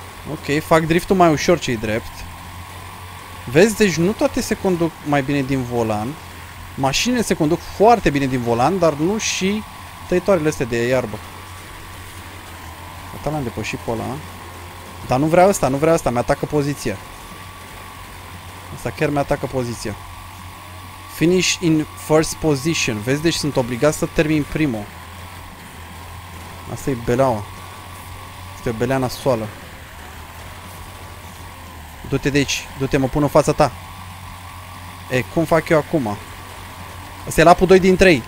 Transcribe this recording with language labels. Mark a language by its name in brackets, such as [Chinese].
[Romanian] Ok, fac driftul mai ușor, ce-i drept. Vezi, deci nu toate se conduc mai bine din volan. Mașinile se conduc foarte bine din volan, dar nu și tăitoarele astea de iarbă. Atât l-am depășit pe ăla. Dar nu vrea ăsta, mi-atacă poziția. Asta chiar mi-atacă poziția. [English] Finish in first position. [Romanian] Vezi, deci sunt obligat să termin primul. Asta e beleaua. Este o belea nasoală. Du-te de aici, du-te, mă pun în fața ta. E, cum fac eu acum? Asta e lapul 2 din 3.